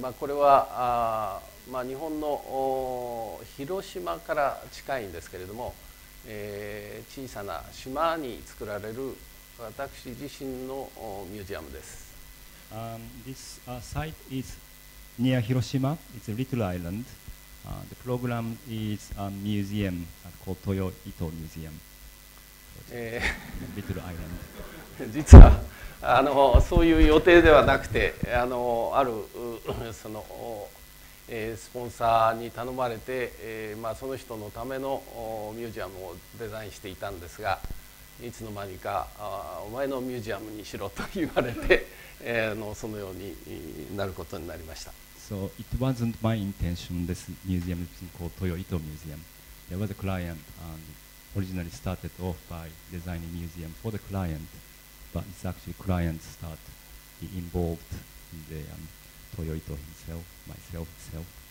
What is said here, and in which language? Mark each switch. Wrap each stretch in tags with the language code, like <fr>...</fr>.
<ja>まあこれはまあ日本の広島から近いんですけれども。小さな島に作られる私自身のミュージアムです。</ja> <en>This site is near Hiroshima. It's a little island. The program is a museum called Toyo Ito Museum. Little island.</en> <ja>実はそういう予定ではなくて、あるその。スポンサーに頼まれて、まあ、その人のためのミュージアムをデザインしていたんですが、いつの間にかお前のミュージアムにしろと言われて、そのようになることになりました。</ja> <en>So it wasn't my intention. This museum is called Toyo Ito Museum. There was a client and originally started off by designing museum for the client, but it's actually client start be involved in the Toyo Ito himself. Myself, itself.</en>